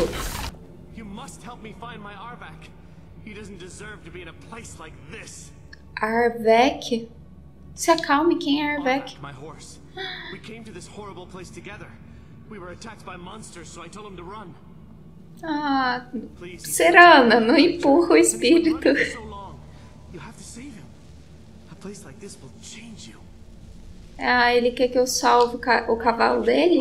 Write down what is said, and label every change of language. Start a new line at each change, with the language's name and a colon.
Portuguese: Você precisa me ajudar a encontrar meu Arvac.
English: He doesn't deserve to be in a place like this. Arvek?
Portuguese: Se acalme, quem é Arvek?
English: My horse. We came to this horrible place together. We were attacked by monsters, so I told him to run.
Portuguese: Ah, Serana, não empurra o espírito.
English: You have to save him. A place like this will change you.
Portuguese: Ah, ele quer que eu salve o cavalo dele?